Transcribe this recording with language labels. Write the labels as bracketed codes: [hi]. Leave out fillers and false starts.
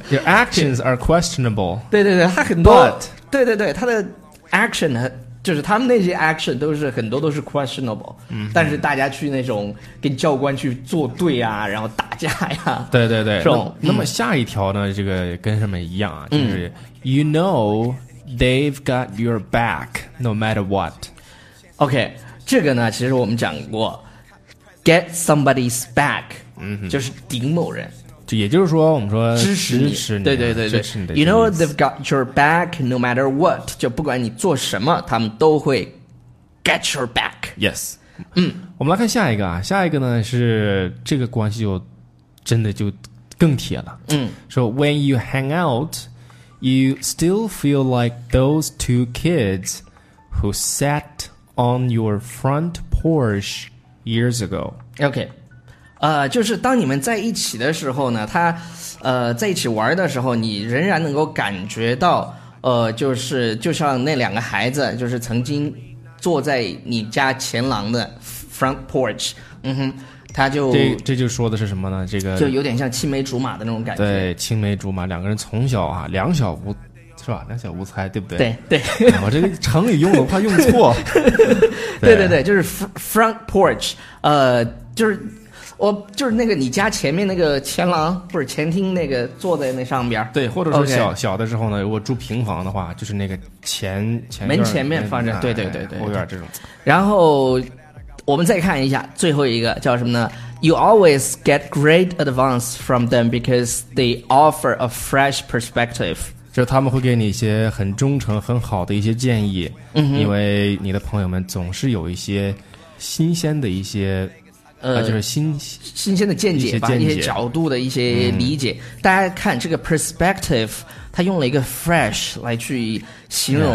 [en] ？Your actions are questionable。 [zh] 对对对，他很多， [en] but, [zh] 对对对，他的。 action 就是他们那些 action 都是很多都是 questionable，嗯，但是大家去那种跟教官去作对啊，然后打架呀、啊，对对对，是吧、那么下一条呢，这个跟什么一样啊？就是、 [en] you know they've got your back no matter what。 [zh] OK， 这个呢，其实我们讲过 ，get somebody's back，嗯，就是顶某人。也就是说我们说支持你，对对对对， [en] You know they've got your back no matter what， [zh] 就不管你做什么他们都会 [en] get your back。 Yes， [zh] 嗯，我们来看下一个啊，下一个呢是这个关系就真的就更铁了。嗯，说、 [en] so、when you hang out you still feel like those two kids who sat on your front porch years ago。 [zh] OK，就是当你们在一起的时候呢，他，在一起玩的时候，你仍然能够感觉到，就是就像那两个孩子，就是曾经坐在你家前廊的 front porch， 嗯哼，他就这就说的是什么呢？这个就有点像青梅竹马的那种感觉。对，青梅竹马，两个人从小啊，两小无是吧？两小无猜，对不对？对对，我这个成语用的怕用错。对对对，就是 front porch， 就是。我就是那个你家前面那个前廊或者前厅那个坐在那上边，对，或者说小、 [en] okay. [zh] 小的时候呢，如果住平房的话，就是那个前门前面放着，对对对对，后院这种。然后我们再看一下最后一个叫什么呢 [en] ？You always get great advice from them because they offer a fresh perspective。 [zh] 就他们会给你一些很忠诚、很好的一些建议，嗯，因为你的朋友们总是有一些新鲜的一些。就是新鲜的见解吧，一些角度的一些理解、嗯、大家看这个 perspective 他用了一个 fresh 来去形容